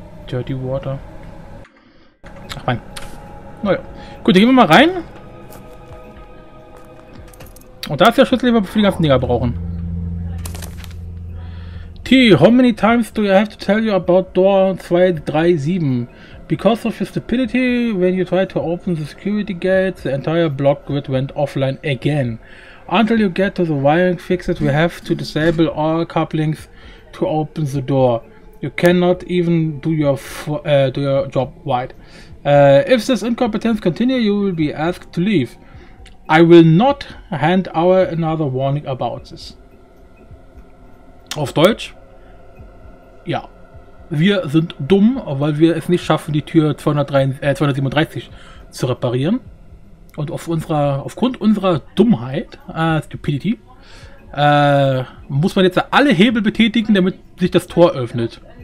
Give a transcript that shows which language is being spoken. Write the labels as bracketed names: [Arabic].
[German] Dirty Water. Ach man. Naja. Gut, dann gehen wir mal rein. Und da ist der Schlüssel, den wir für die ganzen Dinger brauchen. [English] T, how many times do I have to tell you about door 237? Because of your stupidity, when you try to open the security gates, the entire block grid went offline again. Until you get to the wiring fixes, we have to disable all couplings to open the door. You cannot even do your job right. If this incompetence continues, you will be asked to leave. I will not hand out another warning about this. [German] Auf Deutsch? Ja. Wir sind dumm, weil wir es nicht schaffen, die Tür 237 zu reparieren. Und aufgrund unserer Dummheit, Stupidity, muss man jetzt alle Hebel betätigen, damit sich das Tor öffnet.